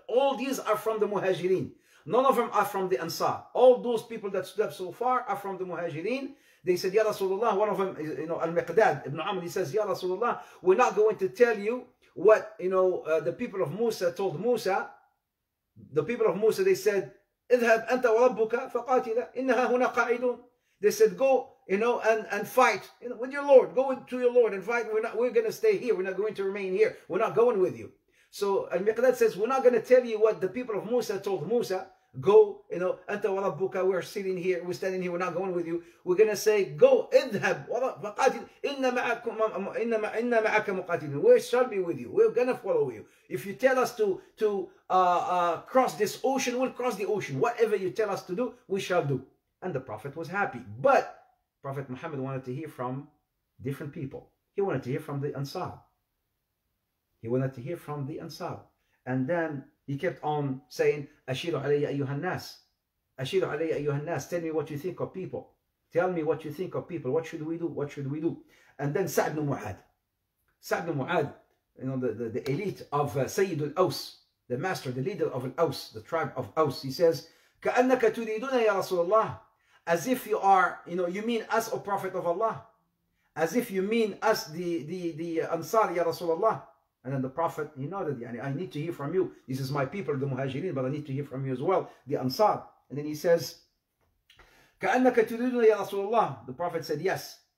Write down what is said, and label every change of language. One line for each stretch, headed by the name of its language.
English: All these are from the Muhajirin. None of them are from the Ansar. All those people that stood up so far are from the Muhajirin. They said, Ya Rasulullah, one of them, you know, Al-Miqdad ibn Amr, he says, Ya Rasulullah, we're not going to tell you what, you know, the people of Musa told Musa. The people of Musa, they said,
Arabic: اذهب أنت وربك فقاتلا إنها هنا قاعدون.
English: They said, go, you know, and fight, you know, with your Lord. Go to your Lord and fight. We're going to stay here. We're not going to remain here. We're not going with you. So Al-Miqdad says, we're not going to tell you what the people of Musa told Musa. Go, you know,
Arabic: أنت وربك,
English: we're sitting here, we're standing here, we're not going with you. We're going to say, go,
Arabic: اذهب وقاتل, إن معك مقاتلين.
English: We shall be with you. We're going to follow you. If you tell us to cross this ocean, we'll cross the ocean. Whatever you tell us to do, we shall do. And the Prophet was happy. But Prophet Muhammad wanted to hear from different people. He wanted to hear from the Ansar. He wanted to hear from the Ansar. And then he kept on saying,
Arabic: Ashiru alayya ayyuhan nas. Ashiru alayya ayyuhan nas.
English: Tell me what you think of people. Tell me what you think of people. What should we do? What should we do? And then Sa'd ibn Mu'ad. Sa'd ibn Mu'ad, you know, the elite of Sayyid al-Aws, the master, the leader of al-Aws, the tribe of Aws. He says,
Arabic: كَأَنَّكَ تُرِيدُنَا يَا رَسُولَ اللَّهِ.
English: As if you are, you know, you mean us, O Prophet of Allah. As if you mean us, the Ansar, Ya Rasulullah. And then the Prophet, he nodded, yani, I need to hear from you. This is my people, the Muhajirin, but I need to hear from you as well, the Ansar. And then he says,
Arabic: كَأَنَّكَ تُرِيدُنَا يَا رَسُولَ اللَّهِ.
English: The Prophet said, yes.